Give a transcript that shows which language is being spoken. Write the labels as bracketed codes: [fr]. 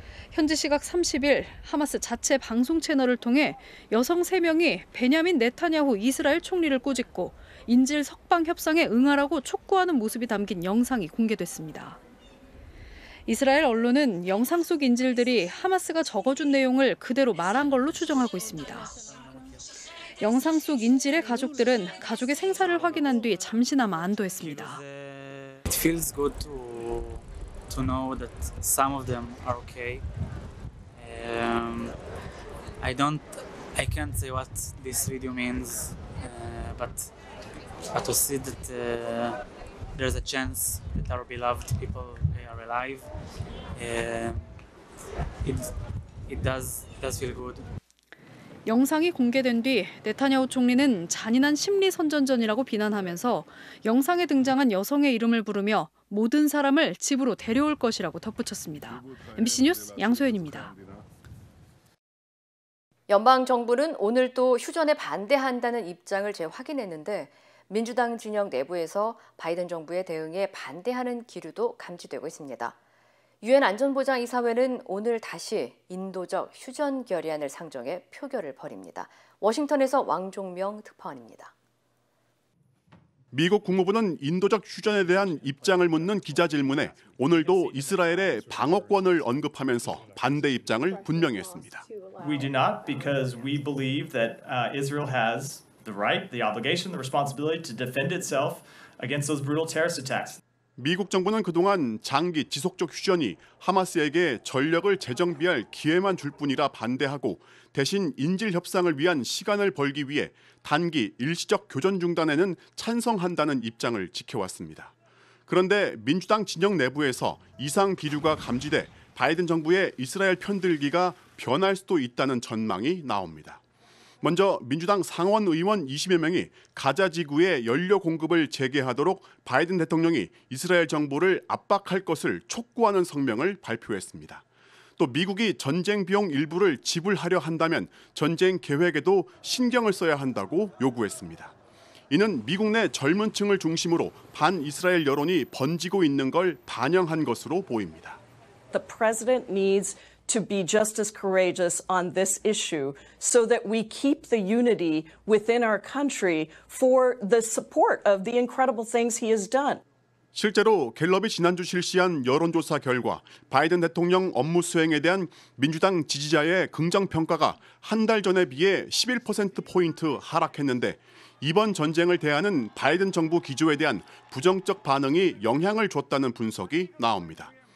[ko] 현지 시각 30일 하마스 자체 방송 채널을 통해 여성 3명이 베냐민 네타냐후 이스라엘 총리를 꼬집고 인질 석방 협상에 응하라고 촉구하는 모습이 담긴 영상이 공개됐습니다. 이스라엘 언론은 영상 속 인질들이 하마스가 적어준 내용을 그대로 말한 걸로 추정하고 있습니다. 영상 속 인질의 가족들은 가족의 생사를 확인한 뒤 잠시나마 안도했습니다. [en] It feels good to know that some of them are okay. I can't say what this video means, but to see that there's a chance that our beloved people are alive, it does feel good. [ko] 영상이 공개된 뒤 네타냐후 총리는 잔인한 심리 선전전이라고 비난하면서 영상에 등장한 여성의 이름을 부르며 모든 사람을 집으로 데려올 것이라고 덧붙였습니다. MBC 뉴스 양소연입니다. 연방정부는 오늘도 휴전에 반대한다는 입장을 재확인했는데 민주당 진영 내부에서 바이든 정부의 대응에 반대하는 기류도 감지되고 있습니다. 유엔 안전보장이사회는 오늘 다시 인도적 휴전 결의안을 상정해 표결을 벌입니다. 워싱턴에서 왕종명 특파원입니다. 미국 국무부는 인도적 휴전에 대한 입장을 묻는 기자질문에 오늘도 이스라엘의 방어권을 언급하면서 반대 입장을 분명히 했습니다. [en] We do not because we believe that Israel has the right, the obligation, the responsibility to defend itself against those brutal terrorist attacks. [ko] 미국 정부는 그동안 장기 지속적 휴전이 하마스에게 전력을 재정비할 기회만 줄 뿐이라 반대하고 대신 인질 협상을 위한 시간을 벌기 위해 단기 일시적 교전 중단에는 찬성한다는 입장을 지켜왔습니다. 그런데 민주당 진영 내부에서 이상 기류가 감지돼 바이든 정부의 이스라엘 편들기가 변할 수도 있다는 전망이 나옵니다. 먼저 민주당 상원 의원 20여 명이 가자 지구의 연료 공급을 재개하도록 바이든 대통령이 이스라엘 정부를 압박할 것을 촉구하는 성명을 발표했습니다. 또 미국이 전쟁 비용 일부를 지불하려 한다면 전쟁 계획에도 신경을 써야 한다고 요구했습니다. 이는 미국 내 젊은 층을 중심으로 반이스라엘 여론이 번지고 있는 걸 반영한 것으로 보입니다. [en] The president needs to be just as courageous on this issue so that we keep the unity within our country for the support of the incredible things he has done. [ko] 실제로 갤럽이 지난주 실시한 여론조사 결과 바이든 대통령 업무 수행에 대한 민주당 지지자의 긍정 평가가 한 달 전에 비해 11%포인트 하락했는데 이번 전쟁을 대하는 바이든 정부 기조에 대한 부정적 반응이 영향을 줬다는 분석이 나옵니다.